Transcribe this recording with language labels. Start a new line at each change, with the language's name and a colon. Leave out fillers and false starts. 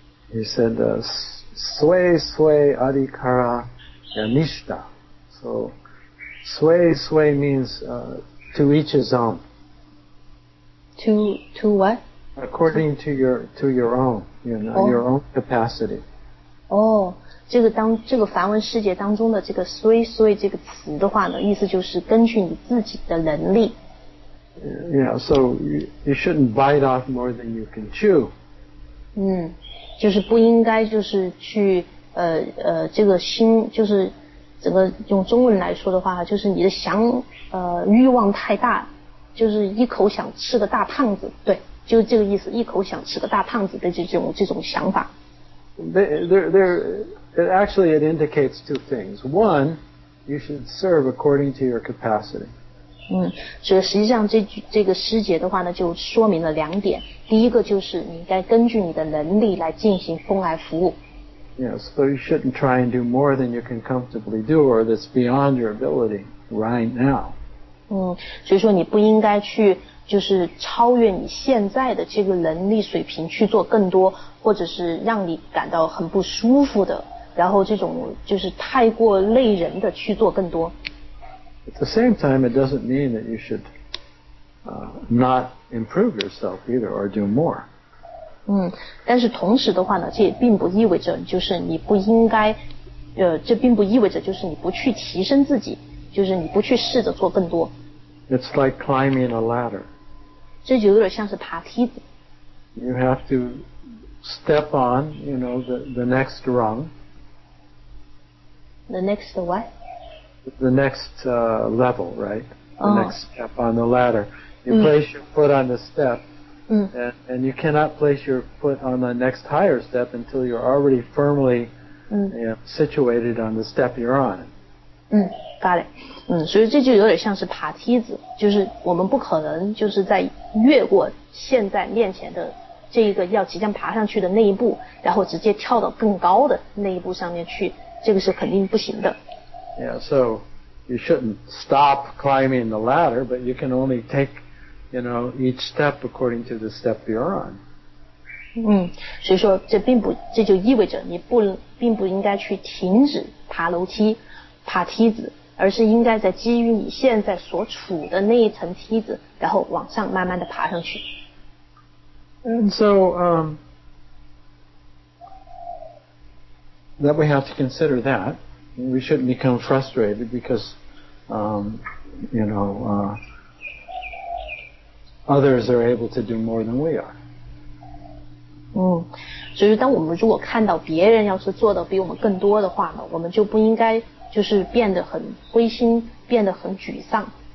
English: He said
Sanskrit: Sway Sway Adhikara Yanishta
English: So Sway Sway means to each his own To what? According to your own you know,、oh. your own capacity
Chinese: 这个梵文世界当中的这个 sui sui 这个词的话呢意思就是根据你自己的能力
English: Yeah, so you shouldn't bite off more than you can chew
Chinese: 就是不应该就是去这个心就是整个用中文来说的话就是你的想欲望太大就是一口想吃个大胖子对就是这个意思一口想吃个大胖子的这种想法
English: they're it indicates two things. One, you should serve according to your capacity.
Chinese: 所以实际上这个诗节的话呢，就说明了两点。第一个就是你应该根据你的能力来进行奉爱服务。
English: Yes, so you shouldn't try and do more than you can comfortably do or that's beyond your ability right now.
Chinese: 所以说你不应该去就是超越你现在的这个能力水平去做更多，或者是让你感到很不舒服的，然后这种就是太过累人的去做更多。
English: At the same time, it doesn't mean that you should not improve yourself either or do more.
Chinese: 但是同时的话呢，这也并不意味着就是你不应该，这并不意味着就是你不去提升自己，就是你不去试着做更多。
English: It's like climbing a ladder.
Chinese: 这就有点像是爬梯子。
English: You have to step on, you know, the next rung. The next what? The next level, right? The next step on the ladder. You place your foot on the step, and you cannot place your foot on the next higher step until you're already firmly situated on the step you're on. Got it.
Chinese: 所以这就有点像是爬梯子，就是我们不可能就是在越过现在面前的这一个要即将爬上去的那一步，然后直接跳到更高的那一步上面去，这个是肯定不行的。
English: Yeah, so you shouldn't stop climbing the ladder, but you can only take, you know, each step according to the step you're on.
Chinese: 所以说这就意味着你并不应该去停止爬楼梯、爬梯子，而是应该在基于你现在所处的那一层梯子，然后往上慢慢的爬上去。
English: And so, that we have to consider that. We shouldn't become frustrated because, you know, others are able to do more than we are.
Chinese: 所以当我们如果看到别人要是做的比我们更多的话呢，我们就不应该就是变得很灰心，变得很沮丧。